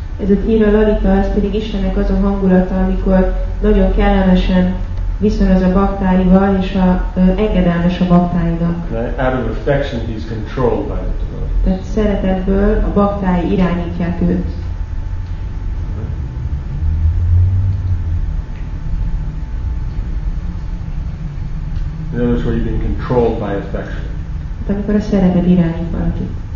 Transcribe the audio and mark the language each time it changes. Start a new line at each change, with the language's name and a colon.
Hungarian: Ez a Dhira Lalita, ez pedig Istennek az a hangulata, amikor nagyon kellemesen viszonyoz a baktáival, és a engedelmes a baktáinak.
English: Out of affection, he's controlled by the devotees.
Hungarian: Tehát szeretetből a baktái irányítják őt.
English: In other words, where you've been controlled by affection. Hát amikor a szeretet irányít valakit.